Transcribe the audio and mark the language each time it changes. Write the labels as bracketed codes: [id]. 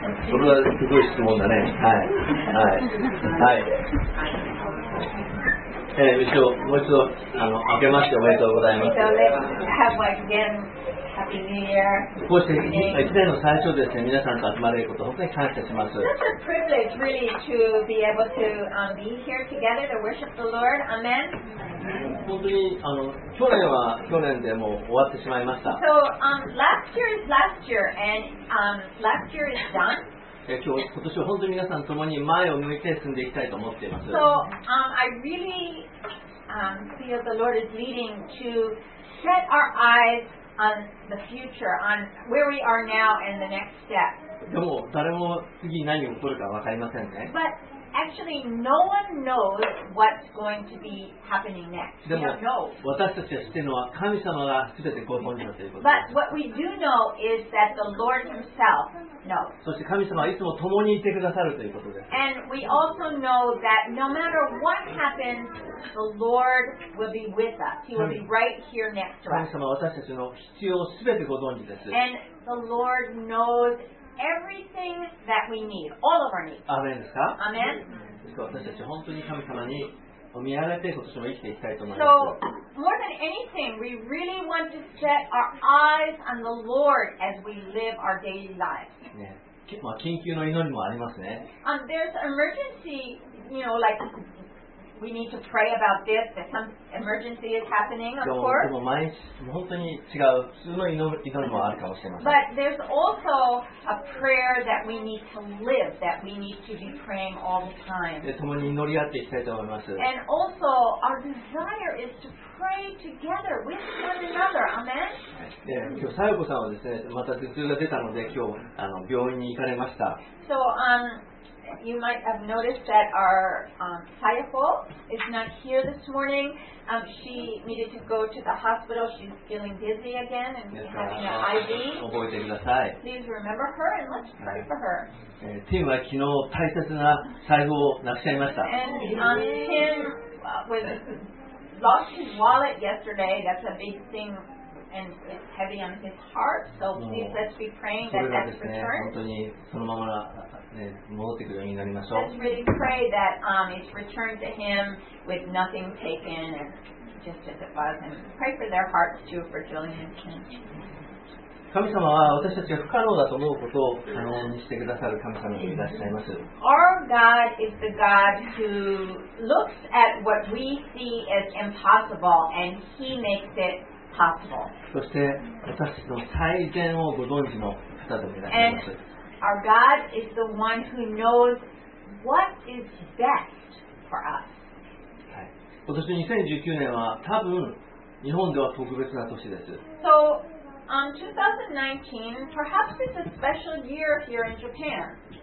[ja] それはすごい質問だね。はい。はい。はい。もう一度、明けましておめでとうございます。 [en] Have again Happy New Year. [ja] こうして、1年の最初ですね、皆さんと集まれること、本当に感謝します。 [en] It's a privilege, really, to be able to be here together to worship the Lord. Amen. [ja] 本当に去年は去年でもう終わってしまいました。 [en] So, last year is last year and last year is done. [ja] 今年は本当に皆さんともに前を向いて進んでいきたいと思っています。 [en] So, I really feel the Lord is leading to set our eyes on the future, on where we are now and the next step. [ja] でも誰も次何を取るか分かりませんね。 [en] ButActually, no one knows what's going to be happening next. We don't know. But what we do know is that the Lord Himself knows. And we also know that no matter what happens, the Lord will be with us. He will be right here next to us. And the Lord knows everything that we need, all of our needs. Amen. Amen. [ja] 私たち本当に神様にお見上げて今年も生きていきたいと思います。 [en] So, more than anything, we really want to set our eyes on the Lord as we live our daily lives.、 [ja] ね、まあ、緊急の祈りもありますね。 [en] There's an emergency, you know, like we need to pray about this, that some emergency is happening, of course. [ja] でも毎日、本当に違う、普通の祈りもあるかもしれません。 [en] But there's also a prayer that we need to live, that we need to be praying all the time. [ja] で、共に祈り合っていきたいと思います。 [en] And also, our desire is to pray together with one another. Amen? [ja] で、今日、さよこさんはですね、また頭痛が出たので、今日、病院に行かれました。 [en] So, You might have noticed that our Sayako is not here this morning. She needed to go to the hospital. She's feeling dizzy again and having an IV. [ja] 覚えてください。 [en] Please remember her and let's pray for her. [ja] Tim は昨日大切な財布をなくしちゃいました。 [en] And Tim lost his wallet yesterday. That's a big thing. And it's heavy on his heart, so please let's be praying that that's returned. Let's really pray that it's returned to him with nothing taken, and just as it was. And pray for their hearts too, for Julian and Kim. [ja] 神様は私たちが不可能だと思うことを可能にしてくださる神様でいらっしゃいます。 [en] Our God is the God who looks at what we see as impossible and He makes it possible. [ja] そして私たちの最善をご存知の方でいらっしゃいます。 [en] And our God is the one who knows what is best for us. [ja] はい。今年2019年は多分日本では特別な年です。 [en] So,2019, perhaps it's a special year here in Japan.